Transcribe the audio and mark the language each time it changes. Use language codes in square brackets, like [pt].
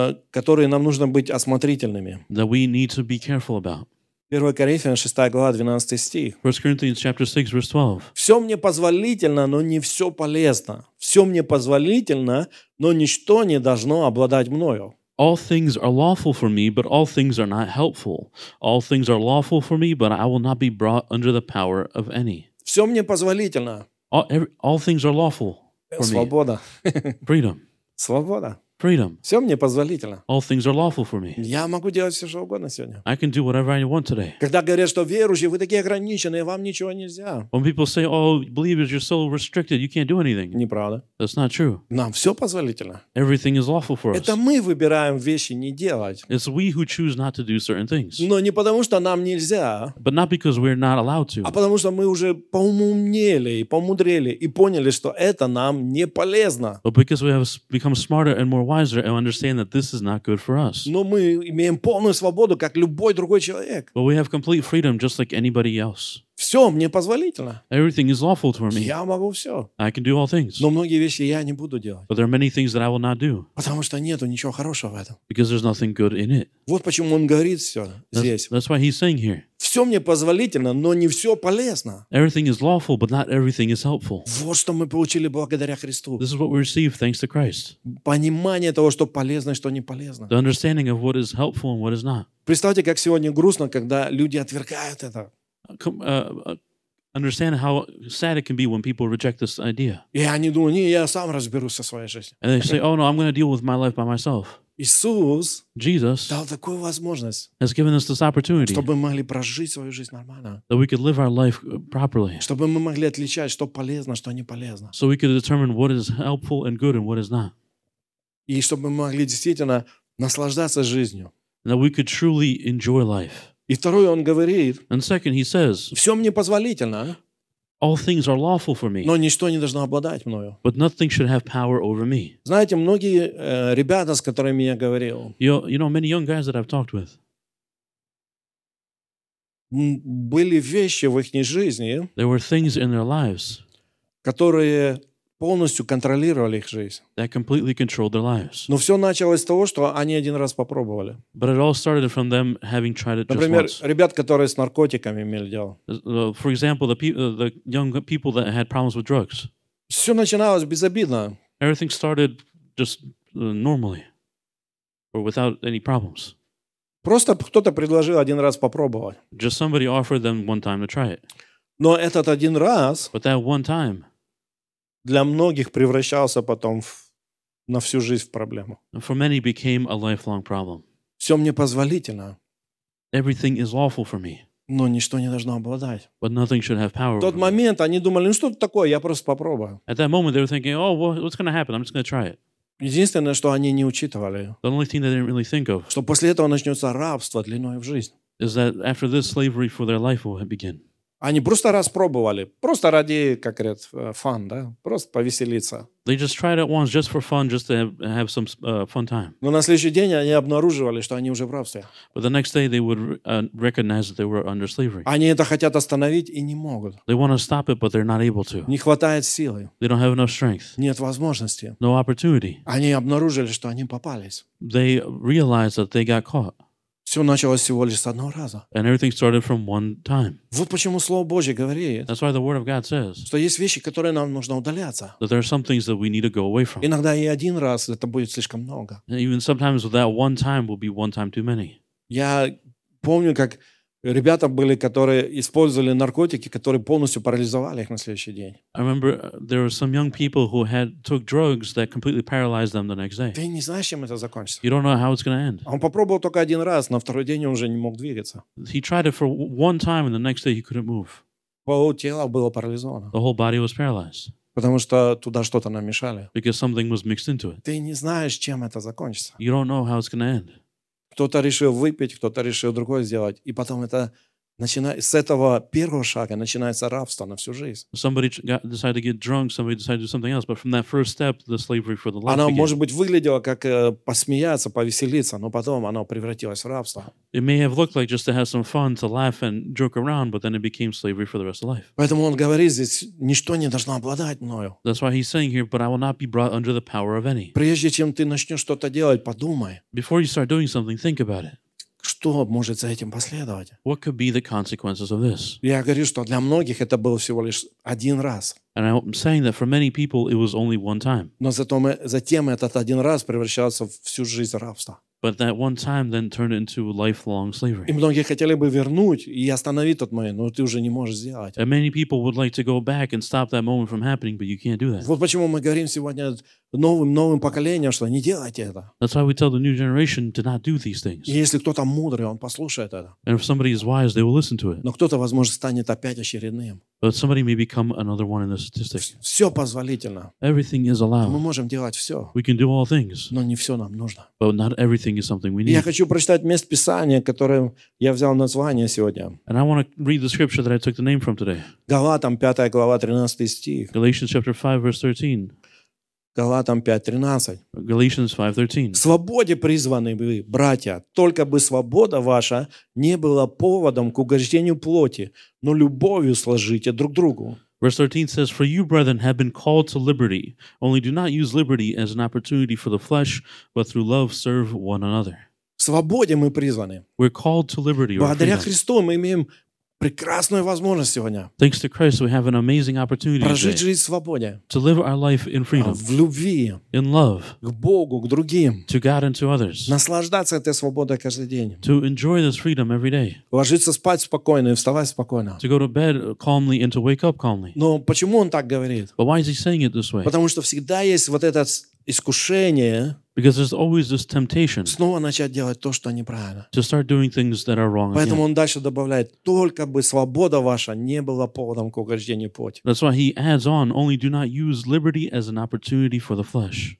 [ru] Которые нам нужно быть осмотрительными. [en] That we need to be careful about. [ru] 1 Коринфянам, 6 глава, 12 стих. [en] 1 Corinthians, chapter 6, verse 12. [ru] Все мне позволительно, но не все полезно. Все мне позволительно, но ничто не должно обладать мною. [en] All things are lawful for me, but all things are not helpful. All things are lawful for me, but I will not be brought under the power of any. [ru] Все мне позволительно. [en] All things are lawful for [ru] свобода. [en] Me. Freedom. [ru] Свобода. [en] Freedom. [ru] Все мне позволительно. [en] All things are lawful for me. [ru] Я могу делать все, что угодно сегодня. [en] I can do whatever I want today. [ru] Когда говорят, что верующие, вы такие ограниченные, вам ничего нельзя. [en] When people say, oh, believers, you're so restricted, you can't do anything. [ru] Неправда. [en] That's not true. [ru] Нам все позволительно. [en] Everything is lawful for us. [ru] Это мы выбираем вещи не делать. [en] It's we who choose not to do certain things. [ru] Но не потому, что нам нельзя. [en] But not because we're not allowed to. [ru] А потому, что мы уже поумнели, помудрели и поняли, что это нам не полезно. [en] But because we have become smarter and more wiser and understand that this is not good for us. [ru] Но мы имеем полную свободу, как любой другой человек. [en] But we have complete freedom just like anybody else. [ru] Все мне позволительно. [en] Everything is lawful for me. [ru] Я могу все. [en] I can do all things. [ru] Но многие вещи я не буду делать. [en] But there are many things that I will not do. [ru] Потому что нету ничего хорошего в этом. [en] Because there's nothing good in it. [ru] Вот почему он говорит все здесь. [en] That's why he's saying here. [ru] Все мне позволительно, но не все полезно. [en] Everything is lawful, but not everything is helpful. [ru] Вот что мы получили благодаря Христу. [en] This is what we receive thanks to Christ. [ru] Понимание того, что полезно и что не полезно. [en] The understanding of what is helpful and what is not. [ru] Представьте, как сегодня грустно, когда люди отвергают это. [en] Understand how sad it can be when people reject this idea. [ru] Я не думаю, не, я сам разберусь со своей жизнью. [en] And they say, oh no, I'm going to deal with my life by myself. [ru] Иисус, [en] Jesus, [ru] дал такую возможность, [en] has given us this opportunity, [ru] чтобы мы могли прожить свою жизнь нормально, [en] that we could live our life properly, [ru] чтобы мы могли отличать, что полезно, что не полезно, [en] so we could determine what is helpful and good and what is not, [ru] и чтобы мы могли действительно наслаждаться жизнью, [en] and that we could truly enjoy life. [ru] И второе, он говорит, [en] and second, he says, [ru] все мне позволительно. [en] All things are lawful for me. [ru] Но ничто не должно обладать мною. [en] But nothing should have power over me. [ru] Знаете, многие ребята, с которыми я говорил. [en] You know, many young guys that I've talked with. [ru] Были вещи в их жизни. [en] There were things in their lives. [ru] Которые полностью контролировали их жизнь. [en] That completely controlled their lives. [ru] Но все началось с того, что они один раз попробовали. [en] But it all started from them having tried it. [ru] Например, [en] just once. [ru] Ребят, которые с наркотиками имели дело. [en] For example, the young people that had problems with drugs. [ru] Все начиналось безобидно. [en] Everything started just normally. or without any problems. [ru] Просто кто-то предложил один раз попробовать. [en] Just somebody offered them one time to try it. [ru] Но этот один раз [en] But that one time [ru] для многих превращался потом в, на всю жизнь в проблему. [en] For many became a lifelong problem. [ru] Все мне позволительно. [en] Everything is lawful for me. [ru] Но ничто не должно обладать. [en] But nothing should have power. [ru] В тот момент они думали, ну что это такое, я просто попробую. [en] At that moment they were thinking, oh, what's going to happen? I'm just going to try it. [ru] Единственное, что они не учитывали, [en] the only thing they didn't really think of, [ru] что после этого начнется рабство длиной в жизнь. [en] Is that after this slavery for their life will begin. [ru] Они просто раз пробовали, просто ради, как говорят, фан, да? Просто повеселиться. [en] They just tried it once, just for fun, just to have some fun time. [ru] Но на следующий день они обнаруживали, что они уже в рабстве. [en] But the next day they would recognize that they were under slavery. [ru] Они это хотят остановить и не могут. [en] They want to stop it, but they're not able to. [ru] Не хватает силы. [en] They don't have enough strength. [ru] Нет возможности. [en] No opportunity. [ru] Они обнаружили, что они попались. [en] They realized that they got caught. [ru] Все началось всего лишь с одного раза. [en] And everything started from one time. [ru] Вот почему Слово Божье говорит, [en] That's why the Word of God says, [ru] что есть вещи, которые нам нужно удаляться. [en] That there are some things that we need to go away from. [ru] Иногда и один раз это будет слишком много. [en] And even sometimes that one time will be one time too many. [ru] Я помню, как ребята были, которые использовали наркотики, которые полностью парализовали их на следующий день. [en] I remember there were some young people who had took drugs that completely paralyzed them the next day. [ru] Ты не знаешь, чем это закончится. [en] You don't know how it's going to end. [ru] Он попробовал только один раз, но второй день он уже не мог двигаться. [en] He tried it for one time, and the next day he couldn't move. [ru] Пол тела было парализовано. [en] The whole body was paralyzed. [ru] Потому что туда что-то намешали. [en] Because something was mixed into it. [ru] Ты не знаешь, чем это закончится. [en] You don't know how it's going to end. [ru] Кто-то решил выпить, кто-то решил другое сделать. И потом это начинает, с этого первого шага начинается рабство на всю жизнь. [en] Somebody decided to get drunk, somebody decided to do something else, but from that first step, the slavery for the life [ru] Оно, [en] began. [ru] Может быть, выглядело как посмеяться, повеселиться, но потом оно превратилось в рабство. [en] It may have looked like just to have some fun, to laugh and joke around, but then it became slavery for the rest of life. [ru] Поэтому он говорит здесь, ничто не должно обладать мною. [en] That's why he's saying here, but I will not be brought under the power of any. [ru] Прежде чем ты начнешь что-то делать, подумай. [en] Before you start doing something, think about it. [ru] Что может за этим последовать? [en] What could be the consequences of this? [ru] Я говорю, что для многих это было всего лишь один раз. [en] And I'm saying that for many people it was only one time. [ru] Но затем, этот один раз превращался в всю жизнь рабства. [en] But that one time then turned into lifelong slavery. [ru] И многие хотели бы вернуть и остановить тот момент, но ты уже не можешь сделать. [en] And many people would like to go back and stop that moment from happening, but you can't do that. [ru] Вот почему мы говорим сегодня новым поколениям, что не делайте это. [en] That's why we tell the new generation to not do these things. [ru] И если кто-то мудрый, он послушает это. [en] And if somebody is wise, they will listen to it. [ru] Но кто-то, возможно, станет опять очередным. [en] But somebody may become another one in the statistics. [ru] Все позволительно. [en] Everything is allowed. [ru] Мы можем делать все. [en] We can do all things. [ru] Но не все нам нужно. [en] But not everything is something we need. [ru] Я хочу прочитать место Писания, которое я взял название сегодня. [en] And I want to read the scripture that I took the name from today. [ru] Галатам 5 глава 13 стих. [en] Galatians chapter 5 verse 13. [ru] Галатам 5:13. [en] Galatians 5:13. [ru] Свободе призваны вы, братья, только бы свобода ваша не была поводом к угождению плоти, но любовью служите друг другу. [en] Verse 13 says, "For you, brethren, have been called to liberty. Only do not use liberty as an opportunity for the flesh, but through love serve one another." [ru] Свободе мы призваны. [en] We're called to liberty. [ru] Благодаря Христу мы имеем прекрасную возможность сегодня. [en] Thanks to Christ, we have an amazing opportunity [ru] прожить жизнь в свободе. [en] To live our life in freedom. [ru] В любви. [en] In love. [ru] К Богу, к другим. [en] To God and to others. [ru] Наслаждаться этой свободой каждый день. [en] To enjoy this freedom every day. [ru] Ложиться спать спокойно и вставать спокойно. [en] To go to bed calmly and to wake up calmly. [ru] Но почему он так говорит? [en] But why is he saying it this way? [ru] Потому что всегда есть вот это искушение. [en] Because there's always this temptation [ru] снова начать делать то, что неправильно. [en] To start doing things that are wrong [ru] Поэтому [en] again. [ru] Он дальше добавляет, только бы свобода ваша не была поводом к угождению плоти. [en] That's why he adds on, only do not use liberty as an opportunity for the flesh.